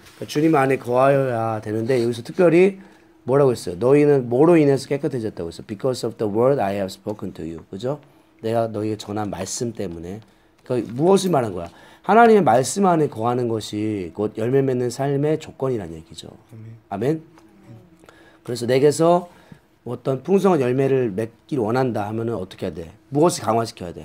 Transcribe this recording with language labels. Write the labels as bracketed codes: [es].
[ko] 주님 안에 거하여야 되는데 여기서 특별히 뭐라고 했어요? 너희는 뭐로 인해서 깨끗해졌다고 했어요? [en] Because of the word I have spoken to you. [ko] 그죠? 내가 너희에게 전한 말씀 때문에. 그러니까 무엇을 말한 거야? 하나님의 말씀 안에 거하는 것이 곧 열매 맺는 삶의 조건이라는 얘기죠. 아멘. 그래서 내게서 어떤 풍성한 열매를 맺기를 원한다 하면은 어떻게 해야 돼? 무엇을 강화시켜야 돼?